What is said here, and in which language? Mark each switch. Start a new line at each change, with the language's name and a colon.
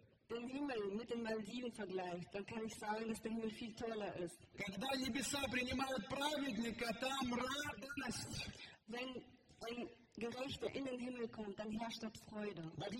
German: den Himmel mit den Maldiven vergleicht, dann kann ich sagen, dass der Himmel viel toller ist.
Russian: Когда небеса принимают праведника, там радость.
German: Wenn ein Gerechter in den Himmel kommt, dann herrscht dort Freude.